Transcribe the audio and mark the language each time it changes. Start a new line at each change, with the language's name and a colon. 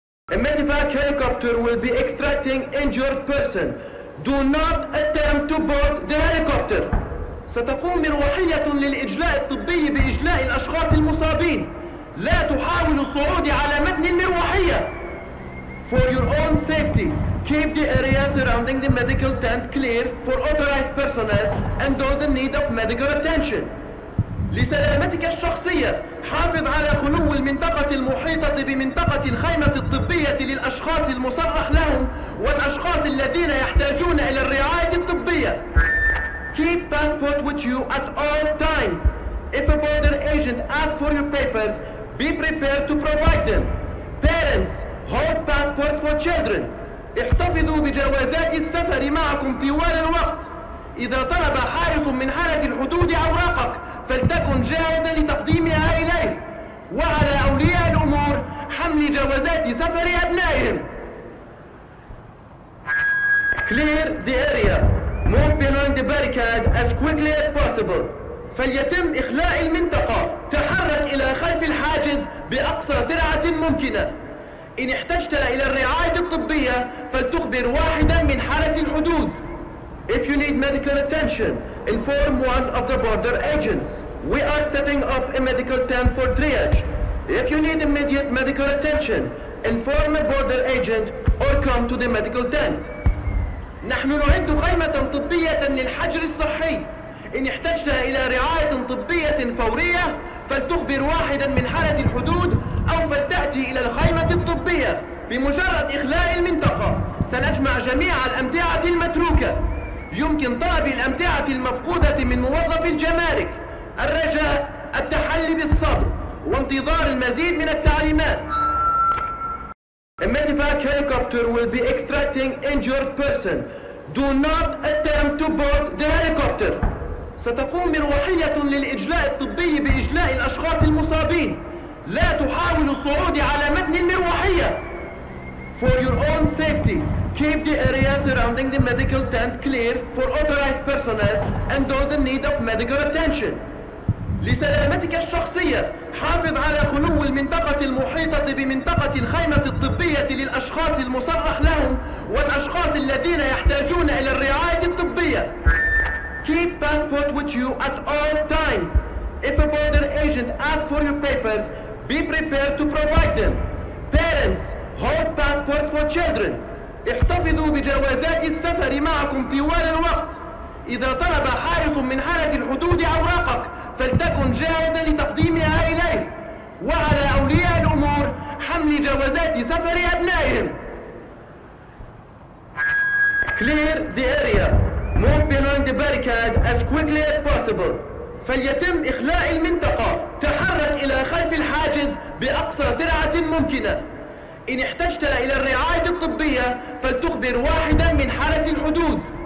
English: A medevac helicopter will be extracting injured person. Do not attempt to board the helicopter.
Arabic: ستقوم مروحية للإجلاء الطبي بإجلاء الأشخاص المصابين. لا تحاول الصعود على متن المروحية.
English: For your own safety, keep the area surrounding the medical tent clear for authorized personnel and those in need of medical attention.
Arabic: لسلامتك الشخصية، حافظ على خلو المنطقة المحيطة بمنطقة الخيمة الطبية للأشخاص المصرح لهم والأشخاص الذين يحتاجون إلى الرعاية الطبية.
English: Keep passport with you at all times. If a border agent asks for your papers, be prepared to provide them. Parents, hold passport for children.
Arabic: احتفظوا بجوازات السفر معكم طوال الوقت. إذا طلب حارس من حرس الحدود أوراقك، فلتكن جاهزا لتقديمها إليه. وعلى أولياء الأمور حمل جوازات سفر أبنائهم.
English: Clear the area. Move behind the barricade as quickly as possible.
Arabic: فليتم إخلاء المنطقة. تحرك إلى خلف الحاجز بأقصى سرعة ممكنة. إن احتجت إلى الرعاية الطبية فلتخبر واحدا من حرس الحدود.
English: If you need medical attention, inform one of the border agents. We are setting up a medical tent for triage. If you need immediate medical attention, inform a border agent or come to the medical tent.
Arabic: نحن نعد خيمة طبية للحجر الصحي. إن احتجت إلى رعاية طبية فورية فلتخبر واحدا من حرس الحدود أو فلتأتي إلى الخيمة الطبية. بمجرد إخلاء المنطقة سنجمع جميع الأمتعة المتروكة. يمكن طلب الأمتعة المفقودة من موظف الجمارك. الرجاء التحلي بالصبر وانتظار المزيد من التعليمات.
English: A medevac helicopter will be extracting injured person. Do not attempt to board the helicopter.
Arabic: ستقوم مروحية للإجلاء الطبي بإجلاء الأشخاص المصابين. لا تحاول الصعود على متن المروحية.
English: For your own safety, keep the area surrounding the medical tent clear for authorized personnel and those in need of medical attention.
Arabic: لسلامتك الشخصية، حافظ على خلو المنطقة المحيطة بمنطقة الخيمة الطبية للأشخاص المصرح لهم والأشخاص الذين يحتاجون إلى الرعاية الطبية.
English: Keep passport with you at all times. If a border agent asks for your papers, be prepared to provide them. Parents, hold passport for children.
Arabic: احتفظوا بجوازات السفر معكم طوال الوقت. إذا طلب حارس من حرس الحدود أوراقك فلتكن جاهزا لتقديمها إليه. وعلى أولياء الأمور حمل جوازات سفر أبنائهم.
English: Clear the area. Move behind the barricade as quickly as possible.
Arabic: فليتم إخلاء المنطقة. تحرك إلى خلف الحاجز بأقصى سرعة ممكنة. إن احتجت إلى الرعاية الطبية فلتخبر واحدا من حرس الحدود.